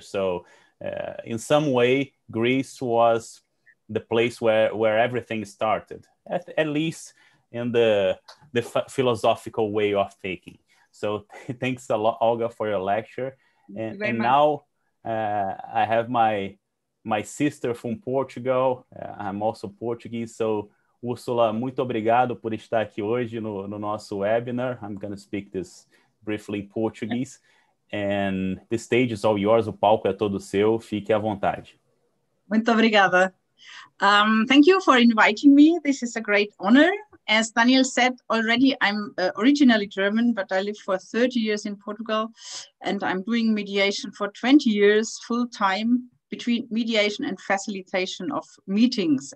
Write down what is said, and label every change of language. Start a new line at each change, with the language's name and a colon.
English: So in some way, Greece was the place where everything started, at least in the philosophical way of thinking. So thanks a lot, Olga, for your lecture. And now I have my sister from Portugal. I'm also Portuguese.
Portuguese: So, Ursula, muito obrigado por estar aqui hoje no nosso webinar.
English: I'm going to speak this briefly in Portuguese. And the stage is all yours.
Portuguese: O palco é todo seu. Fique à vontade. Muito obrigada.
English: Thank you for inviting me. This is a great honor. As Daniel said already, I'm originally German, but I live for 30 years in Portugal, and I'm doing mediation for 20 years full time between mediation and facilitation of meetings.